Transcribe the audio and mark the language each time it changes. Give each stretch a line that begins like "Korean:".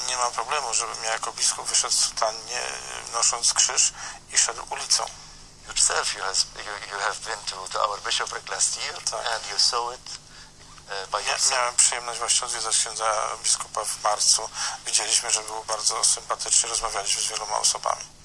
Polish: Nie mam problemu, żebym ja jako biskup wyszedł w sutannie, nosząc krzyż i szedł ulicą.
English: Yourself, you have been to our bishopric last year,
Polish: tak.
English: And you saw it.
Polish: Miałem przyjemność właśnie odwiedzać księdza biskupa w marcu. Widzieliśmy, że było bardzo sympatycznie, rozmawialiśmy z wieloma osobami.